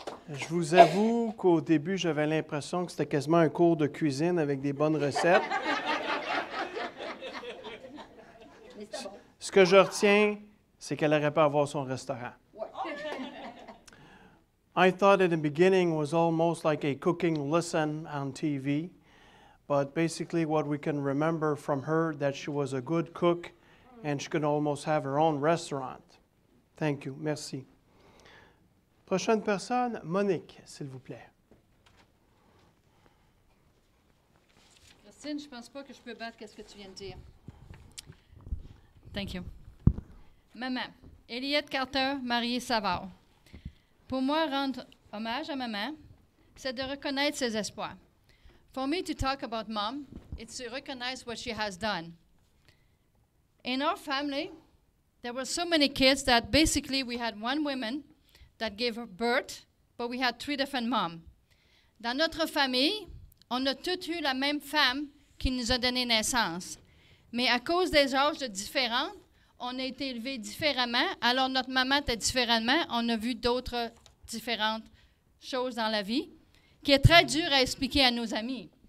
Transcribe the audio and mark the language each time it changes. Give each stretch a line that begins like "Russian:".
French: Je vous avoue qu'au début, j'avais l'impression que c'était quasiment un cours de cuisine avec des bonnes recettes. Ce que je retiens, c'est qu'elle aurait pu avoir son restaurant.
English: I thought in the beginning was almost like a cooking lesson on TV, but basically what we can remember from her, that she was a good cook and she could almost have her own restaurant. Thank you.
French: Merci. Prochaine personne, Monique, s'il vous plaît. Christine, je pense pas que je peux battre qu'est-ce que tu viens de dire.
English: Thank you. Maman, Eliette Carter, Marie Savard.
French: Pour moi, rendre hommage à maman, c'est de reconnaître ses espoirs.
English: For me to talk about mom, it's to recognize what she has done. In our family, there were so many kids that basically we had one woman that gave birth, but we had three different moms.
French: Dans notre famille, on a toutes eu la même femme qui nous a donné naissance. Mais à cause des âges différents, on a été élevés différemment, alors notre maman était différemment, on a vu d'autres différentes choses dans la vie, qui est très dur à expliquer à nos amis.